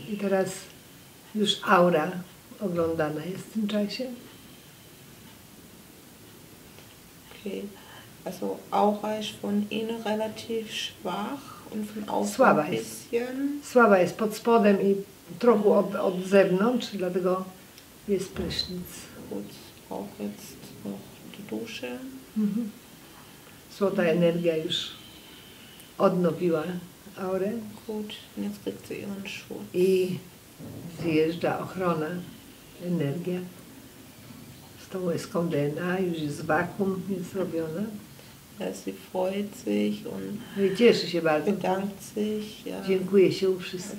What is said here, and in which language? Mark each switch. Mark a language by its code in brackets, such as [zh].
[pl] I teraz już aura oglądana jest w tym czasie. Okay. [de] Also aura ist von innen relativ schwach und von außen [pl] słaba [de] ein bisschen. [pl] Słaba jest pod spodem i trochę od zewnątrz, dlatego jest prysznic. [de] Gut, auch jetzt noch die Dusche. Mhm. [pl] Złota energia już odnowiła aurę. [de] Gut, jetzt kriegt sie ihren Schutz. [pl] I zjeżdża ochrona, energia. Z tą łyską DNA już jest wakuum, jest zrobiona. [de] Ja, sie freut sich und [pl] i cieszy się bardzo. [de] Bedankt sich, ja. [pl] Dziękuję się u wszystkich.